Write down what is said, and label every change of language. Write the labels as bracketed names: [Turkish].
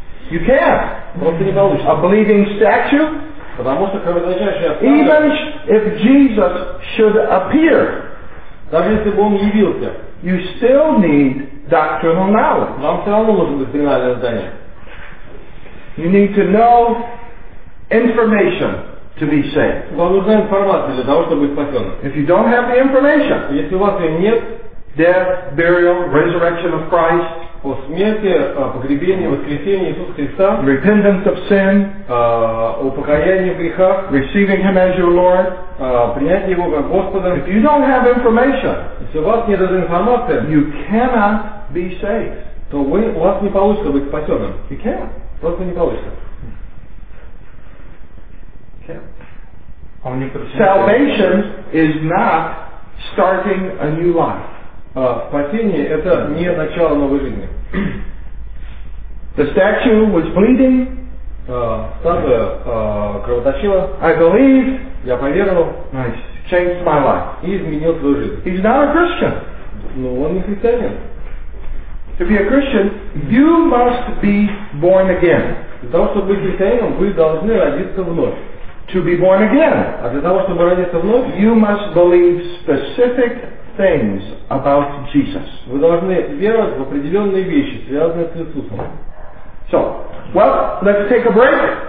[English] You can't. [Russian] Просто не получится. [English] A believing statue? [Russian] Потому что кровоточащая статуя. [English] Even if Jesus should appear. [Russian] Даже если бы он явился. [English] You still need doctrinal knowledge. [Russian] Вам все равно нужно доктринальное знание. [English] You need to know information to be saved. [Russian] Вам нужна информация для того, чтобы быть спасенным. [English] If you don't have the information, [Russian] если у вас ее нет, [English] death, burial, resurrection of Christ, [Russian] о смерти, погребении, воскресении Иисуса Христа, [English] repentance of sin, [Russian] о покаянии в грехах, [English] receiving Him as your Lord, [Russian] принять Его как Господа. [English] If you don't have information, [Russian] если у вас нет этой информации, [English] you cannot be saved. [Russian] То вы, у вас не получится быть спасенным. [English] You can't. [Russian] Просто не получится. [English] Okay. Salvation is not starting a new life. [Russian] Спасение — это не начало новой жизни. [English] The statue was bleeding. [Russian] Статуя кровоточила. [English] I believe. [Russian] Я поверил. [English] Nice. Changed my life. [Russian] И изменил свою жизнь. [English] He's not a Christian. [Russian] Ну, он не христианин. [English] To be a Christian, you must be born again. [Russian] Для того, чтобы быть христианином, вы должны родиться вновь. [English] to be born again. [Russian] А для того, чтобы родиться вновь, [English] you must believe specific things about Jesus. [Russian] Вы должны веровать в определенные вещи, связанные с Иисусом. [English] So, well, let's take a break.